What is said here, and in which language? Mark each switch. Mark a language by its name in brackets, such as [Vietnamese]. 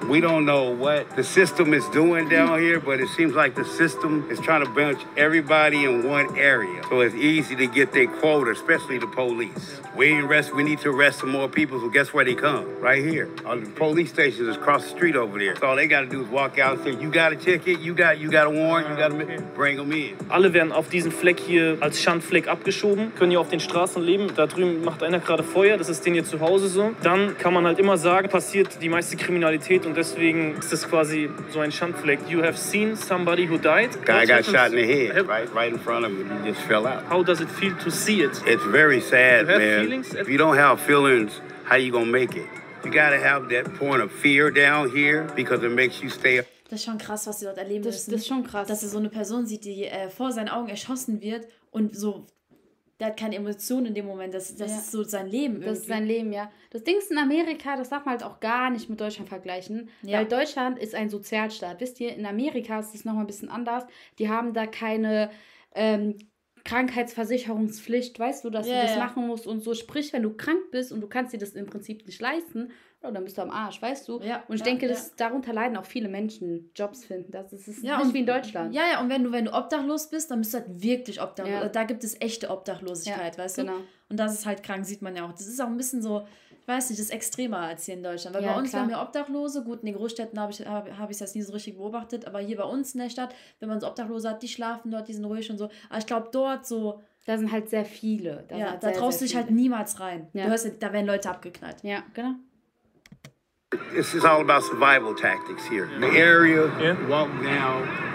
[English] We don't know what the system is doing down here, but it seems like the system is trying to bench everybody in one area. So it's easy to get their quota, especially the police. We need to arrest some more people, so guess where they come? Right here. The police station is across the street over there. So all they got to do is walk out and say, you got a ticket, you got a warrant, you got to bring them in. [German] Alle werden auf diesen Fleck hier als Schandfleck abgeschoben, können hier auf den Straßen leben. Da drüben macht einer gerade Feuer, das ist denen hier zu Hause so. Dann kann man halt immer sagen, passiert die meiste Kriminalität und deswegen ist das quasi so ein Schandfleck. [English] You have seen somebody who died? Guy got shot in the head, right in front of him, and he just fell out. How does it feel to see it? It's very sad, man. If you don't have feelings, how you gonna make it? You gotta have that point of fear down here, because it makes you stay. [German] Das ist schon krass, was sie dort erleben müssen. Das ist schon krass. Dass er so eine Person sieht, die vor seinen Augen erschossen wird und so, der hat keine Emotionen in dem Moment. Das ist so sein Leben irgendwie. Das ist sein Leben, ja. Das Ding ist in Amerika, das darf man halt auch gar nicht mit Deutschland vergleichen. Ja. Weil Deutschland ist ein Sozialstaat. Wisst ihr, in Amerika ist das nochmal ein bisschen anders. Die haben da keine Krankheitsversicherungspflicht, weißt du, dass du das machen musst und so. Sprich, wenn du krank bist und du kannst dir das im Prinzip nicht leisten, dann bist du am Arsch, weißt du? Ja, und ich denke, dass darunter leiden auch viele Menschen Jobs finden. Das ist nicht wie in Deutschland. Ja, und wenn du obdachlos bist, dann bist du halt wirklich obdachlos. Ja. Da gibt es echte Obdachlosigkeit, weißt du? Genau. Und das ist halt krank, sieht man ja auch. Das ist auch ein bisschen so, ich weiß nicht, das ist extremer als hier in Deutschland. Weil bei uns haben wir Obdachlose. Gut, in den Großstädten hab ich das nie so richtig beobachtet. Aber hier bei uns in der Stadt, wenn man so Obdachlose hat, die schlafen dort, die sind ruhig und so. Aber ich glaube, dort so... Da sind halt sehr viele. Da traust du dich halt niemals rein. Ja. Du hörst, da werden Leute abgeknallt. Ja, genau. [English] This is all about survival tactics here. The area, walk down...